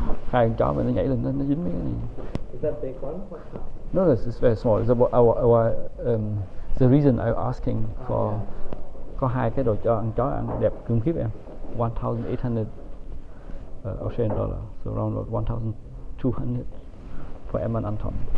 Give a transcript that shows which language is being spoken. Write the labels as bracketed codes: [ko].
[vi] Hai con chó mà nó nhảy lên nó dính mấy cái này. [en] Is that big one? No, this is very small. It's about our the reason I'm asking for. Yeah. [vi] Có hai cái đồ cho ăn chó ăn đẹp khủng khiếp em. [en] 1800 Australian dollar, so around 1200 for Emma and Anton.